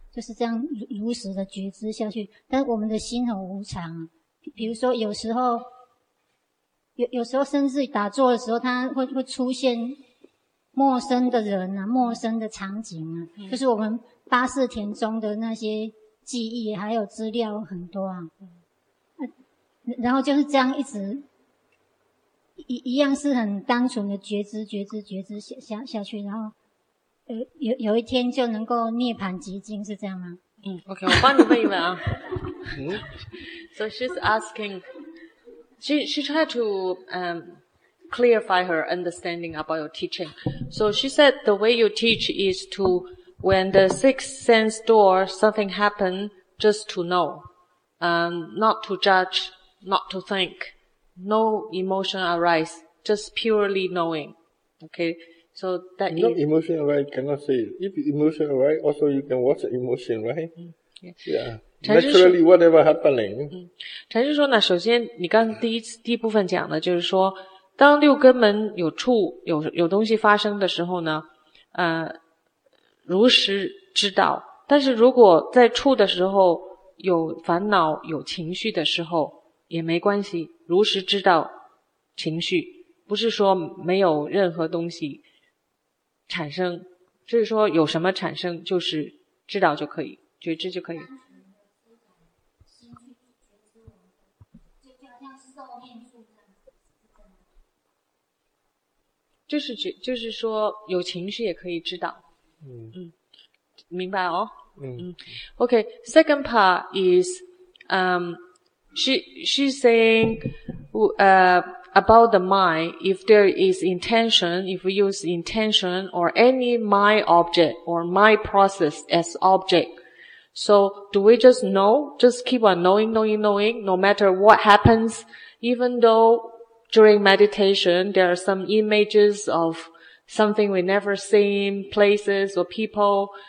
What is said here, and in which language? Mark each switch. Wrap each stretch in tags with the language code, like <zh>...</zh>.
<zh>就是这样如实的觉知下去。但是我们的心很无常，比如说有时候甚至打坐的时候，它会出现陌生的人啊，陌生的场景啊，就是我们八四田中的那些记忆还有资料很多啊，然后就是这样一直一样是很单纯的觉知下去，然后有一天就能够涅槃极境, 是这样吗? Okay, 我帮你问一问啊。</zh> <en>So she's asking, she tried to clarify her understanding about your teaching. So she said the way you teach is to, when the sixth sense door, something happened, just to know, not to judge, not to think, no emotion arise, just purely knowing. Okay, so that no emotion arise, cannot say. If emotion arise, also you can watch the emotion, right? Naturally, whatever happening.</en> <zh>禅师说呢，首先你刚第一部分讲的就是说， 当六根门有触，有东西发生的时候呢， 如实知道， 但是如果在触的时候有烦恼，有情绪的时候， 也没关系， 如实知道情绪， 不是说没有任何东西产生， 就是说有什么产生， 就是知道就可以， 觉知就可以。就是说有情绪也可以知道。明白哦。</zh> <en>Okay, second part is, she's saying, about the mind, if there is intention, if we use intention or any mind object or mind process as object, so do we just know, just keep on knowing, no matter what happens, even though during meditation, there are some images of something we never seen, places or people.</en>